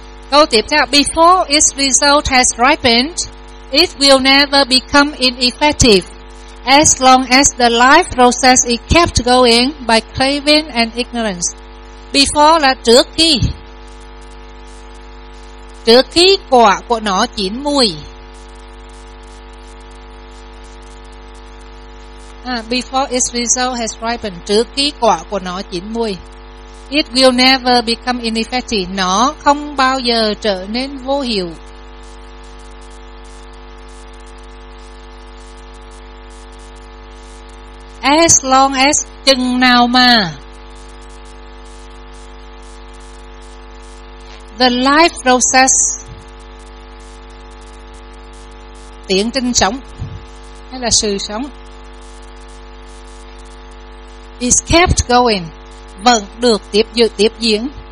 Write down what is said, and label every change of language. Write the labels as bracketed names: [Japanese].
[Vietnamese] Câu tiếp theo, [English] before its result has ripened, it will never become ineffective as long as the life process is kept going by craving and ignorance. Before [Vietnamese] là trước khi trước khi quả của nó chín mùi. [English] Before its result has ripened, [Vietnamese] trước khi quả của nó chín mùi. [English] It will never become ineffective. [Vietnamese] Nó không bao giờ trở nên vô hiệu. [English] As long as, [Vietnamese] chừng nào mà [English] the life process, [Vietnamese] tiến trình sống hay là sự sống, [English] is kept going, [Vietnamese] vẫn được tiếp diễn.